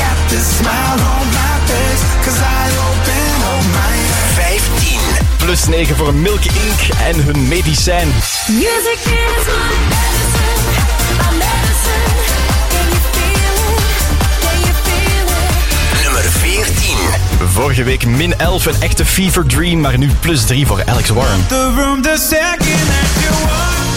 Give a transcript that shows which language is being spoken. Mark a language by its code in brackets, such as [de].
[en] This smile on my face, 'cause I open all my eyes. [nl] 15. Plus 9 voor Milk Inc. en hun medicijn. [en] Music is my medicine, my medicine. Can you feel it? Can you feel it? [nl] Nummer 14. Vorige week min 11, een echte fever dream, maar nu plus 3 voor Alex Warren. [en] The room, the second that you want.